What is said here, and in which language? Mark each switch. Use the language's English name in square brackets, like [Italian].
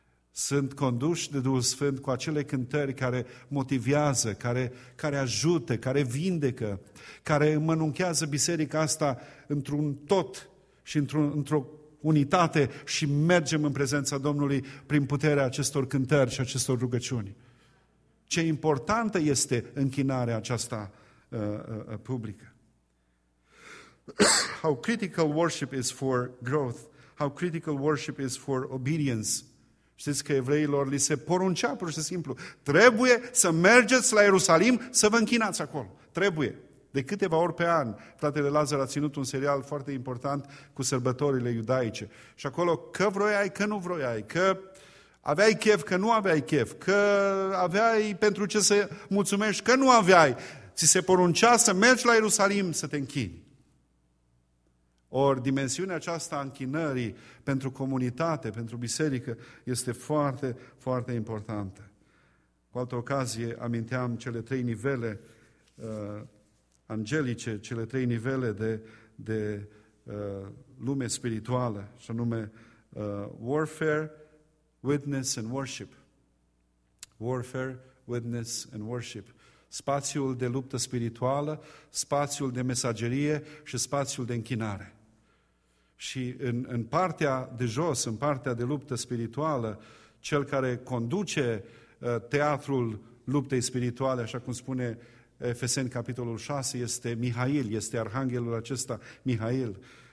[Romanian] Sunt conduși de Duhul Sfânt cu acele cântări care motivează, care ajută, care vindecă, care mănunchează biserica asta într-un tot și într-o unitate și mergem în prezența Domnului prin puterea acestor cântări și acestor rugăciuni. Ce importantă este închinarea aceasta publică. [English] How critical worship is for growth. How critical worship is for obedience. [Romanian] Știți că evreilor li se poruncea pur și simplu, trebuie să mergeți la Ierusalim să vă închinați acolo. Trebuie. De câteva ori pe an, fratele Lazar a ținut un serial foarte important cu sărbătorile iudaice. Și acolo, că vroiai, că nu vroiai, că aveai chef, că nu aveai chef, că aveai pentru ce să mulțumești, că nu aveai, ți se poruncea să mergi la Ierusalim să te închini. Ori dimensiunea aceasta a închinării pentru comunitate, pentru biserică, este foarte, foarte importantă. Cu altă ocazie aminteam cele trei nivele angelice, cele trei nivele de lume spirituală, și anume [English] warfare, witness and worship. Warfare, witness and worship. [Romanian] Spațiul de luptă spirituală, spațiul de mesagerie și spațiul de închinare. Și în partea de jos, în partea de luptă spirituală, cel care conduce teatrul luptei spirituale, așa cum spune Efeseni capitolul 6, este Mihail, este arhanghelul acesta Mihail.